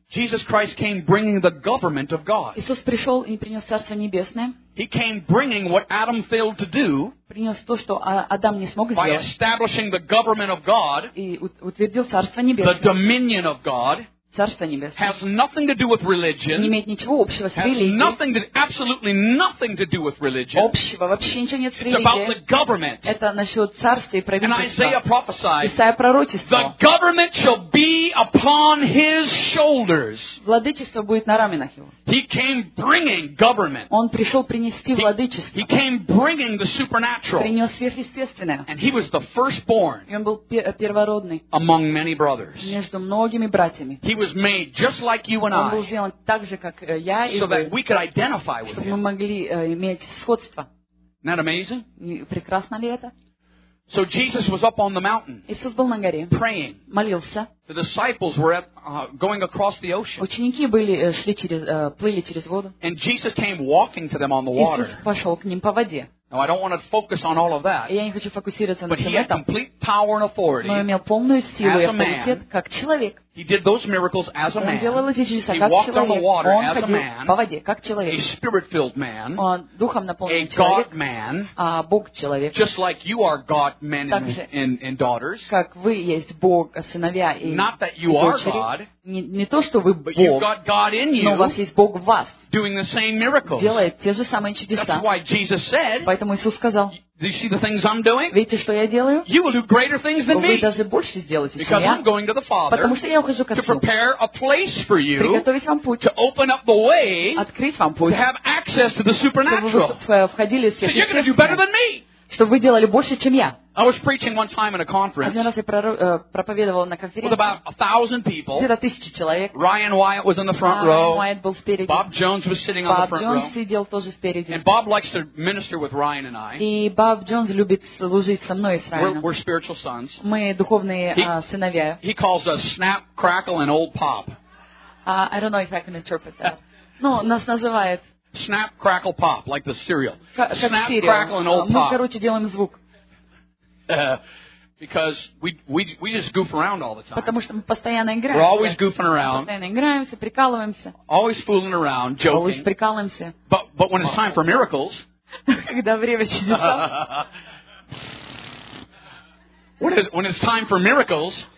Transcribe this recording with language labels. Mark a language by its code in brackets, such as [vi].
[en] Jesus Christ came bringing the government of God. [ru] Иисус пришел и принес Царство Небесное. [en] He came bringing what Adam failed to do. [ru] Принес то, что Адам не смог сделать. [en] By establishing the government of God. [ru] И утвердил Царство Небесное. [en] The dominion of God. [ru] Царство Небесное. [en] Has nothing to do with religion. [ru] Не имеет ничего общего с религией. [en] Has nothing to, absolutely nothing to do with religion. [ru] Общего вообще ничего нет с религией. [en] It's about the government. [ru] Это насчет царства и правительства. [en] And Isaiah prophesied. [ru] Исаия пророчествовал. [en] The government shall be upon his shoulders. [ru] Владычество будет на раменах его. [en] He came bringing government. [ru] Он пришел принести владычество. [en] He came bringing the supernatural. [ru] Принес сверхъестественное. [en] And he was the firstborn. [ru] И он был первородный. [en] Among many brothers. [ru] Между многими братьями. [en] He was made just like you and I. [ru] Он был сделан так же, как я и вы. [en] So that we could identify with him. [ru] Чтобы мы могли иметь сходство. [en] Isn't that amazing? [ru] Прекрасно ли это? [en] So Jesus was up on the mountain. [ru] Иисус был на горе. [en] Praying. [ru] Молился. [en] The disciples were at, going across the ocean. [ru] Ученики были шли через плыли через воду. [en] And Jesus came walking to them on the water. [ru] Иисус пошел к ним по воде. [en] Now I don't want to focus on all of that. [ru] Я не хочу фокусироваться на этом. [en] But he had complete power and authority. [ru] Но имел полную силу и авторитет как человек. [en] He did those miracles as a man. [ru] Он делал эти чудеса как человек. [en] He walked on the water [ru] он [en] as a man. [ru] По воде как человек. [en] A spirit-filled man. [ru] Он духом наполненный a человек. [en] A God man. [ru] А Бог человек. [en] Just like you are God men and daughters. [ru] Как вы есть Бог сыновья и дочери. [en] Not that you are God. [ru] Не то что вы Бог. [en] But you've got God in you. [ru] Но у вас есть Бог в вас. [en] Doing the same miracles. [ru] Делает те же самые чудеса. [en] That's why Jesus said. [ru] Поэтому Иисус сказал. [en] Do you see the things I'm doing? [ru] Видите, что я делаю? [en] You will do greater things than me. [ru] Вы даже больше сделаете, чем я. [en] Because I'm going to the Father. [ru] Потому что я ухожу к Отцу. [en] To prepare a place for you. [ru] Приготовить вам путь. [en] To open up the way. [ru] Открыть вам путь. [en] To have access to the supernatural. [ru] Чтобы вы входили в сверхъестественное. [en] So you're going to do better than me. [ru] Чтобы вы делали больше, чем я. [en] I was preaching one time in a conference. [ru] Один раз я проповедовал на конференции. [en] With about 1,000 people. [ru] Где-то тысячи человек. [en] Ryan Wyatt was in the front row. [ru] Ryan Wyatt был спереди. [en] Bob Jones was sitting on the front row. [ru] Bob Jones сидел тоже спереди. [en] And Bob likes to minister with Ryan and I. [ru] И Bob Jones любит служить со мной и с Райаном. [en] We're spiritual sons. [ru] Мы духовные сыновья. [en] He calls us Snap, Crackle, and Old Pop. I don't know if I can interpret that. [ru] Ну, нас называют. [en] Snap, Crackle, Pop, like the cereal. Snap, cereal. Crackle, and Old Pop. [ru] Мы, короче, делаем звук. [en] Because we just goof around all the time. [ru] Потому что мы постоянно играем. [en] We're always goofing around. [ru] Постоянно играемся, прикалываемся. [en] Always fooling around, joking. Always [ru] прикалываемся. [en] But when it's time for miracles. [ru] Когда время чудеса. [en] When it's time for miracles.